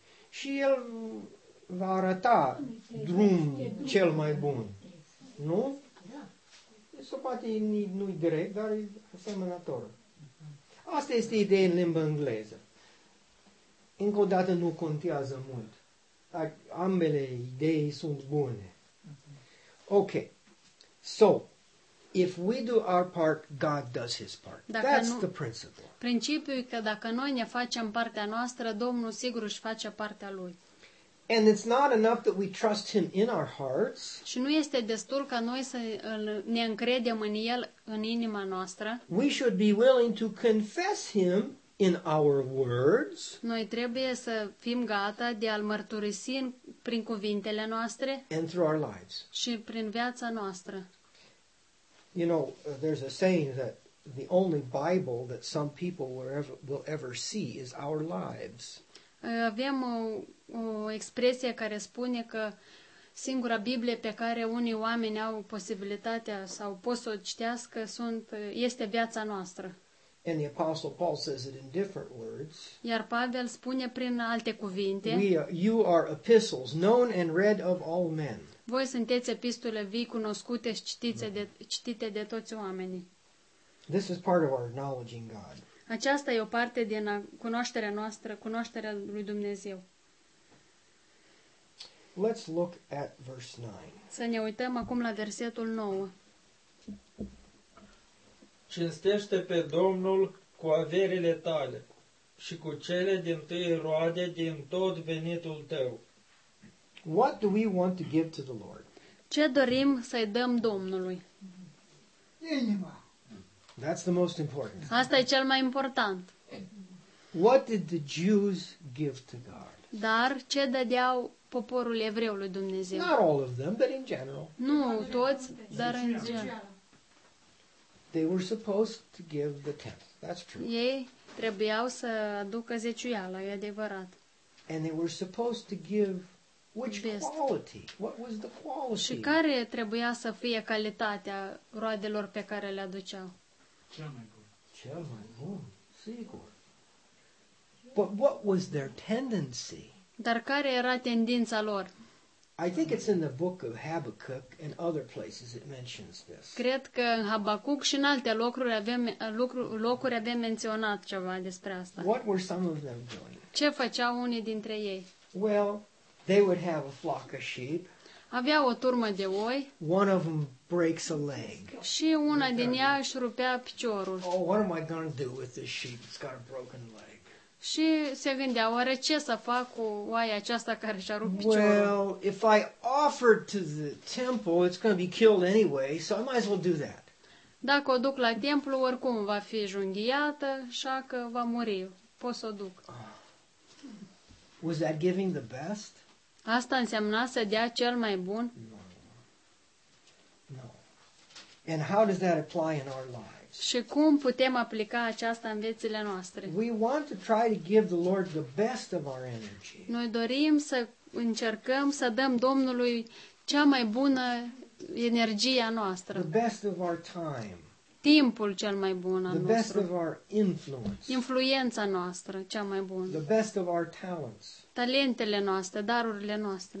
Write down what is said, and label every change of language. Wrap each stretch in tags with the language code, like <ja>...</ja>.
<ro>Și el va arăta drum cel mai bun. Nu? Sau poate nu-i direct, dar e asemănător. Asta este ideea în limba engleză. Încă o dată nu contează mult. Dar ambele idei sunt bune. Ok.</ro> <en>So, if we do our part, God does his part. That's the principle.</en> <ro>Principiul e că dacă noi ne facem partea noastră, Domnul sigur își face partea lui.</ro> <en>And it's not enough that we trust him in our hearts.</en> <ro>Și nu este destul ca noi să ne încredem în el în inima noastră.</ro> <en>We should be willing to confess him in our words.</en> <ro>Noi trebuie să fim gata de a-l mărturisi prin cuvintele noastre.</ro> <en>And through our lives.</en> <ro>Și prin viața noastră.</ro> <en>You know, there's a saying that the only Bible that some people will ever see is our lives.</en> <ro>Avem o expresie care spune că singura Biblie pe care unii oameni au posibilitatea sau pot să o citească este viața noastră.</ro> <en>And the Apostle Paul says it in different words.</en> <ro>Iar Pavel spune prin alte cuvinte.</ro> <en>You are epistles known and read of all men.</en> <ro>Voi sunteți epistole vii cunoscute și citite de toți oamenii.</ro> <en>This is part of our acknowledging God.</en> <ro>Aceasta e o parte din cunoașterea noastră, cunoașterea lui Dumnezeu.</ro> <en>Let's look at verse 9.</en> <ro>Să ne uităm acum la versetul 9. Cinstește pe Domnul cu averile tale și cu cele din tâi roade din tot venitul tău.</ro> <en>What do we want to give to the Lord?</en> <ro>Ce dorim să-i dăm Domnului? Inima.</ro> <en>That's the most important.</en> <ro>Asta e cel mai important.</ro> <en>What did the Jews give to God?</en> <ro>Dar ce dădeau poporul evreu lui Dumnezeu?</ro> <en>Not all of them, but in general.</en> <ro>Nu toți, dar în general.</ro> <en>They were supposed to give the tenth. That's true.</en> <ro>Ei trebuiau să aducă zeciuiala, e adevărat.</ro> <en>And they were supposed to give which quality? What was the quality?</en> <ro>Și care trebuia să fie calitatea roadelor pe care le aduceau? Cea mai bună. Cea mai bună, sigur.</ro> <en>But what was their tendency?</en> <ro>Dar care era tendința lor?</ro> <en>I think it's in the book of Habakkuk and other places it mentions this.</en> <ro>Cred că în Habacuc și în alte locuri avem locuri avem menționat ceva despre asta.</ro> <en>What were some of them doing?</en> <ro>Ce făceau unii dintre ei?</ro> <en>Well, they would have a flock of sheep.</en> <ro>Aveau o turmă de oi.</ro> <en>One of them breaks a leg.</en> <ro>Și una din ea își rupea piciorul.</ro> <en>Oh, what am I going to do with this sheep? It's got a broken leg.</en> <ro>Și se gândea, oare ce să fac cu oaia aceasta care și-a rupt piciorul?</ro> <en>Well, if I offer to the temple, it's going to be killed anyway, so I might as well do that.</en> <ro>Dacă o duc la templu, oricum va fi junghiată, așa că va muri. Pot să o duc.</ro> <en>Was that giving the best?</en> <ro>Asta însemna să dea cel mai bun?</ro> <en>No. And how does that apply in our lives?</en> <ro>Și cum putem aplica aceasta în viețile noastre?</ro> <en>We want to try to give the Lord the best of our energy.</en> <ro>Noi dorim să încercăm să dăm Domnului cea mai bună energie a noastră.</ro> <en>The best of our time.</en> <ro>Timpul cel mai bun al</ro> <en>the</en> <ro>nostru.</ro> <en>The best of our influence.</en> <ro>Influența noastră cea mai bună.</ro> <en>The best of our talents.</en> <ro>Talentele noastre, darurile noastre.</ro>